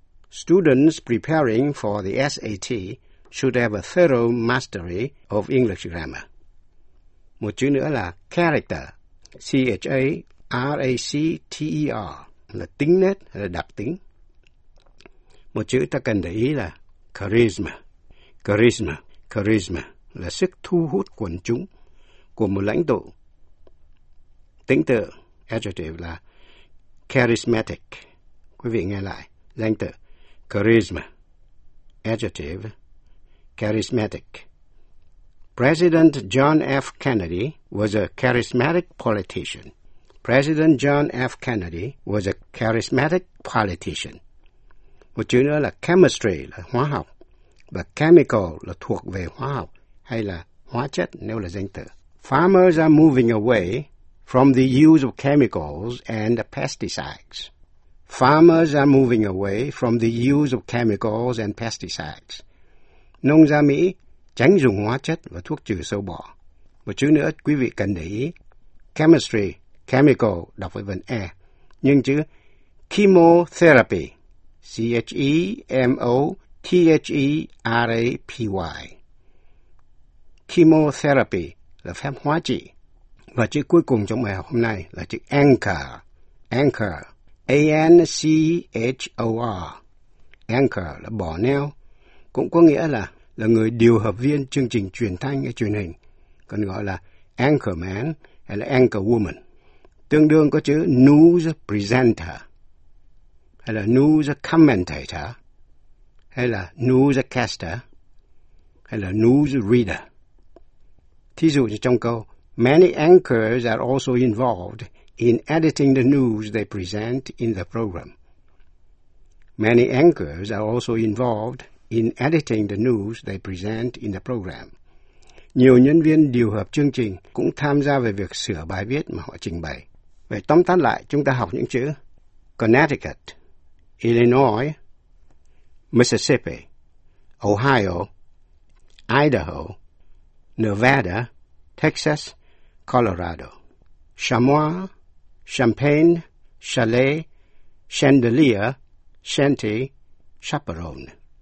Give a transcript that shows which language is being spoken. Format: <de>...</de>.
<en>Students preparing for the SAT should have a thorough mastery of English grammar.</en> <vi>Một chữ nữa là character, C-H-A-R-A-C-T-E-R, là tính nết hay là đặc tính. Một chữ ta cần để ý là charisma, charisma, charisma, là sức thu hút quần chúng của một lãnh tụ. Tính tự, adjective là charismatic. Quý vị nghe lại, danh tự, charisma, adjective, charismatic.</vi> <en>President John F. Kennedy was a charismatic politician. President John F. Kennedy was a charismatic politician.</en> <vi>Một chữ nữa là chemistry, là hóa học, và chemical là thuộc về hóa học, hay là hóa chất nếu là danh từ.</vi> <en>Farmers are moving away from the use of chemicals and pesticides. Farmers are moving away from the use of chemicals and pesticides.</en> <vi>Nông gia Mỹ tránh dùng hóa chất và thuốc trừ sâu bọ. Một chữ nữa quý vị cần để ý. Chemistry, chemical, đọc với vần E. Nhưng chữ chemotherapy, C-H-E-M-O-T-H-E-R-A-P-Y. Chemotherapy là phép hóa trị. Và chữ cuối cùng trong bài học hôm nay là chữ anchor. Anchor, A-N-C-H-O-R. Anchor là bỏ neo, cũng có nghĩa là người điều hợp viên chương trình truyền thanh hay truyền hình, còn gọi là anchorman hay là anchorwoman. Tương đương có chữ news presenter, hay là news commentator, hay là newscaster, hay là news reader. Thí dụ như trong câu,</vi> <en>many anchors are also involved in editing the news they present in the program. Many anchors are also involved in editing the news they present in the program.</en> <vi>Nhiều nhân viên điều hợp chương trình cũng tham gia về việc sửa bài viết mà họ trình bày. Vậy tóm tắt lại, chúng ta học những chữ Connecticut, Illinois, Mississippi, Ohio, Idaho, Nevada, Texas, Colorado, Chamois, Champagne, Chalet, Chandelier, Shanty, Chaperone.</vi>